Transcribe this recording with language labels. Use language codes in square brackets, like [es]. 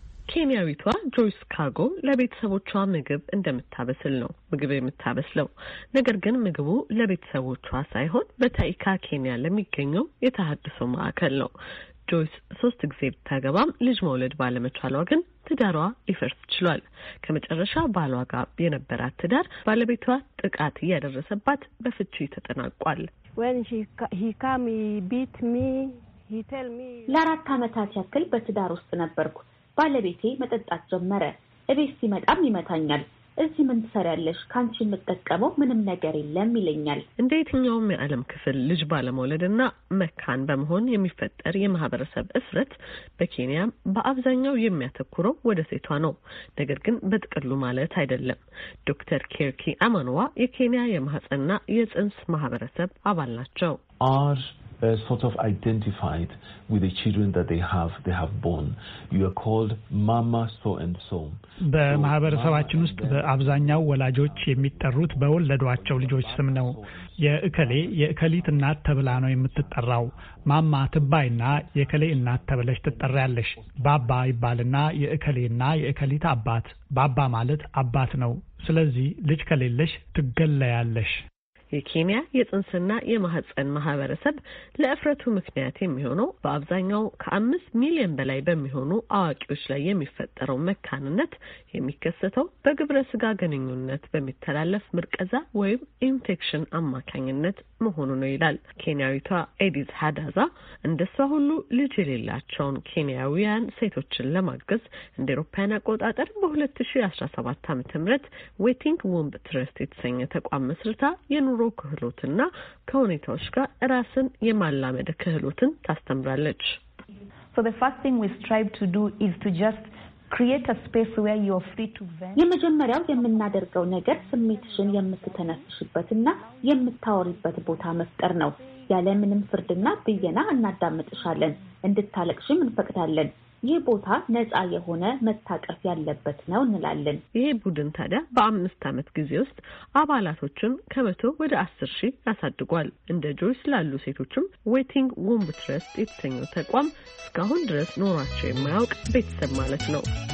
[am] ኬንያዊቷ ጆይስ ካጎ ለቤተሰቦቿ ምግብ እንደምታበስል ነው ምግብ የምታበስለው። ነገር ግን ምግቡ ለቤተሰቦቿ ሳይሆን በታይካ ኬንያ ለሚገኘው የተሐድሶ ማዕከል ነው። ጆይስ 3 ጊዜ ብታገባም ልጅ መውለድ ባለመቻሏ ግን ትዳሯ ሊፈርስ ችሏል። ከመጨረሻ ባሏ ጋር የነበራት ትዳር ባለቤቷ ጥቃት እያደረሰባት በፍቺ ተጠናቋል። [en] When he came he beat me he tell me [am] ለአራት አመታት ያክል በትዳር ውስጥ ነበርኩ። ባለቤቴ መጠጣት ጀመረ። እቤት ሲመጣም ይመታኛል። እዚህ ምን ትሰሪያለሽ? ካንቺ የምጠቀመው ምንም ነገር የለም ይለኛል። እንደ የትኛውም የዓለም ክፍል ልጅ ባለመውለድና መካን በመሆን የሚፈጠር የማህበረሰብ እስረት በኬንያም በአብዛኛው የሚያተኩረው ወደ ሴቷ ነው። ነገር ግን በጥቅሉ ማለት አይደለም። ዶክተር ኬርኪ አማኖዋ የኬንያ የማህፀንና የጽንስ ማህበረሰብ አባል ናቸው። አር [en] sort of identified with the children that they have born. You are called mama so and so. [am] በማህበረሰባችን ውስጥ በአብዛኛው ወላጆች የሚጠሩት በወለዷቸው ልጆች ስም ነው። የእከሌ የእከሊት እናት ተብላ ነው የምትጠራው። ማማ ትባይና የእከሌ እናት ተብለሽ ትጠራያለሽ። ባባ ይባልና የእከሌና የእከሊት አባት። ባባ ማለት አባት ነው። ስለዚህ ልጅ ከሌለሽ ትገለያለሽ። የኬንያ የጽንስና የማህፀን ማህበረሰብ ለእፍረቱ ምክንያት የሚሆነው በአብዛኛው ከ5 ሚሊዮን በላይ በሚሆኑ አዋቂዎች ላይ የሚፈጠረው መካንነት የሚከሰተው በግብረ ስጋ ግንኙነት በሚተላለፍ ምርቀዛ ወይም ኢንፌክሽን አማካኝነት መሆኑ ነው ይላል። ኬንያዊቷ ኤዲዝ ሃዳዛ እንደሷ ሁሉ ልጅ የሌላቸውን ኬንያውያን ሴቶችን ለማገዝ እንደ አውሮፓውያን አቆጣጠር በ2017 ዓ.ም ዌቲንግ ውምብ ትረስት የተሰኘ ተቋም መስርታ የኑሮ ክህሎትና ከሁኔታዎች ጋር ራስን የማላመድ ክህሎትን ታስተምራለች። [en] So the first thing we strive to do is to just create a space where you are free to vent. [am] የመጀመሪያው የምናደርገው ነገር ስሜትሽን የምትተነፍሽበትና የምታወሪበት ቦታ መፍጠር ነው። ያለ ምንም ፍርድና ብየና እናዳምጥሻለን፣ እንድታለቅሽም እንፈቅዳለን። ይህ ቦታ ነጻ የሆነ መታቀፍ ያለበት ነው እንላለን። ይሄ ቡድን ታዲያ በ5 ዓመት ጊዜ ውስጥ አባላቶችን ከ100 ወደ 10,000 ያሳድጓል። እንደ ጆይስ ላሉ ሴቶችም ዌቲንግ ውምብ ትረስት የተሰኘው ተቋም እስካሁን ድረስ ኖሯቸው የማያውቅ ቤተሰብ ማለት ነው።